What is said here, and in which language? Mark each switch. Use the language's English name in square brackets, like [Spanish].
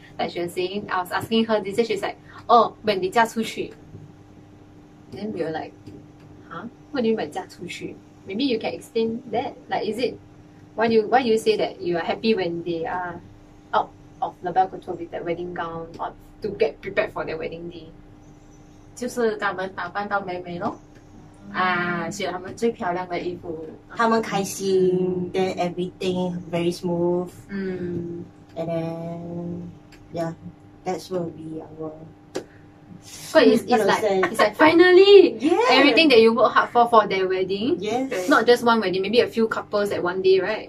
[English] Like she was saying, I was asking her this, and she's like, "Oh, when they [Chinese] 嫁出去." [English] Then we were like, "Huh? What do you mean by [Chinese] 嫁出去? [English] Maybe you can explain that. Like, is it why do you say that you are happy when they are out of the Belka Tour with their wedding gown or to get prepared for their wedding day? [Chinese] 就是他们打扮到美美咯，啊，选他们最漂亮的衣服，他们开心 [English] then everything very smooth, and then yeah, that's will be our. But it's like finally everything that you work hard for their wedding. Yes. Not just one wedding, maybe a few couples at one day, right?